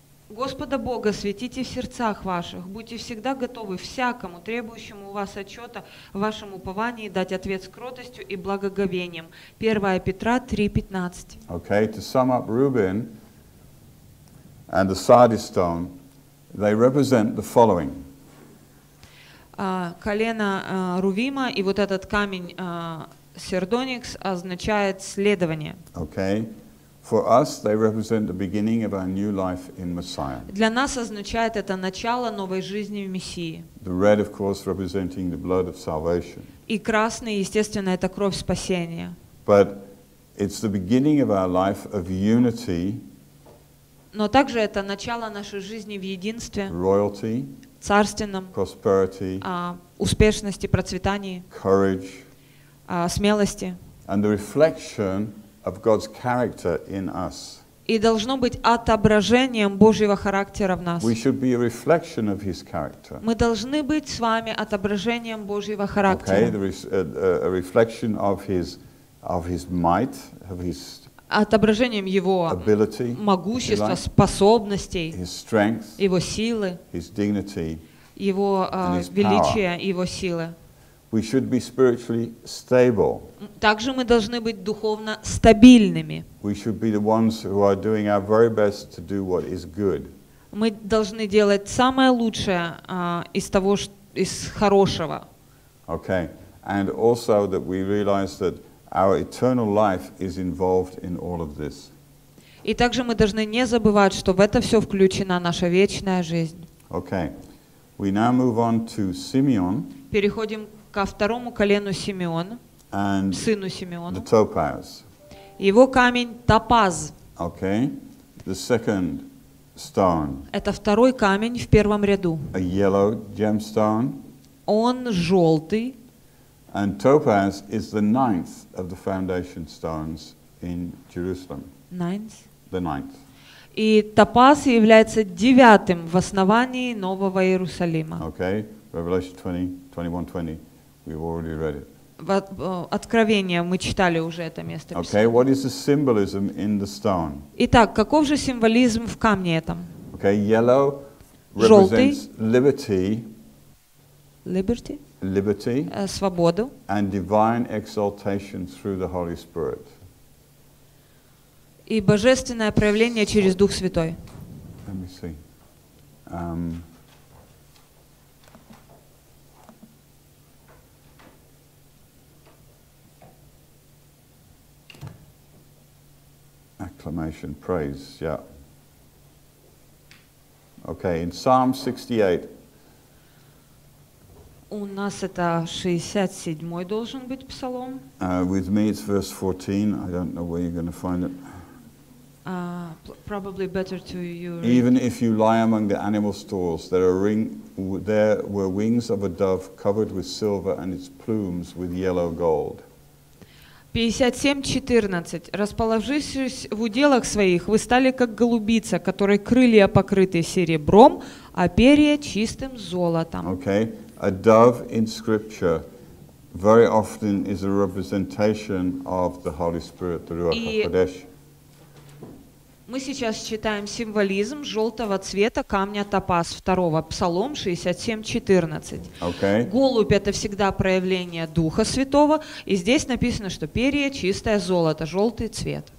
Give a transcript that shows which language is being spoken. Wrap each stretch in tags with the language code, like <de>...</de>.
<ru>Господа Бога, светите в сердцах ваших, будьте всегда готовы всякому, требующему у вас отчета в вашем уповании, дать ответ с кротостью и благоговением. 1 Петра 3:15.</ru> <en>Okay, to sum up Reuben and the Sardis stone, they represent the following.</en> <ru>колено Рувима и вот этот камень Сердоникс означает следование.</ru> <en>Okay. For us, they represent the beginning of our new life in Messiah.</en> <ru>Для нас означает это начало новой жизни в Мессии.</ru> <en>The red, of course, representing the blood of salvation.</en> <ru>И красный, естественно, это кровь спасения.</ru> <en>But it's the beginning of our life of unity.</en> <ru>Но также это начало нашей жизни в единстве.</ru> <en>Royalty.</en> <ru>Царственном.</ru> <en>Prosperity.</en> <ru>Успешности, процветании.</ru> <en>Courage.</en> <ru>Смелости.</ru> <en>And the reflection of God's character in us.</en> <ru>И должно быть отображением Божьего характера в нас.</ru> <en>We should be a reflection of His character.</en> <ru>Мы должны быть с вами отображением Божьего характера.</ru> <en>Okay, a reflection of His might, of His</en> <ru>отображением Его</ru> <en>ability,</en> <ru>могущества, like, способностей,</ru> <en>His strength,</en> <ru>Его силы,</ru> <en>His dignity,</en> <ru>Его величия, Его силы.</ru> <en>We should be spiritually stable.</en> <ru>Также мы должны быть духовно стабильными.</ru> <en>We should be the ones who are doing our very best to do what is good.</en> <ru>Мы должны делать самое лучшее из того, из хорошего.</ru> <en>Okay, and also that we realize that our eternal life is involved in all of this.</en> <ru>И также мы должны не забывать, что в это все включена наша вечная жизнь.</ru> <en>Okay, we now move on to Simeon.</en> <ru>Переходим ко второму колену Симеона,</ru> <en>and</en> <ru>сыну Симеона.</ru> <en>The topaz.</en> <ru>Его камень топаз.</ru> <en>Okay. The second stone.</en> <ru>Это второй камень в первом ряду.</ru> <en>A yellow gemstone.</en> <ru>Он желтый.</ru> <en>And topaz is the ninth of the foundation stones in Jerusalem. Ninth? The ninth.</en> <ru>И топаз является девятым в основании Нового Иерусалима.</ru> <en>Okay. Revelation 20:21-20. We've already read it.</en> <ru>В Откровении мы читали уже это место.</ru> <en>Okay, what is the symbolism in the stone?</en> <ru>Итак, каков же символизм в камне этом?</ru> <en>Okay, yellow represents liberty. Liberty? Liberty.</en> <ru>Свободу.</ru> <en>And divine exaltation through the Holy Spirit.</en> <ru>И божественное проявление через Дух Святой.</ru> <en>Let me see. Acclamation, praise, yeah. Okay, in Psalm 68.</en> <ru>У нас это 67-й должен быть псалом.</ru> <en>With me it's verse 14. I don't know where you're going to find it. Probably better to you. Even if you lie among the animal stalls, there were wings of a dove covered with silver and its plumes with yellow gold. 57:14.</en> <ru>Расположившись в уделах своих, вы стали как голубица, которой крылья покрыты серебром, а перья чистым золотом.</ru> <en>Okay, a dove in Scripture very often is a representation of the Holy Spirit, the Ruach HaKodesh.</en> <ru>Мы сейчас читаем символизм желтого цвета камня топаз второго, Псалом 67:14.</ru> <en>Okay.</en> <ru>Голубь — это всегда проявление Духа Святого, и здесь написано, что перья — чистое золото, желтый цвет.</ru>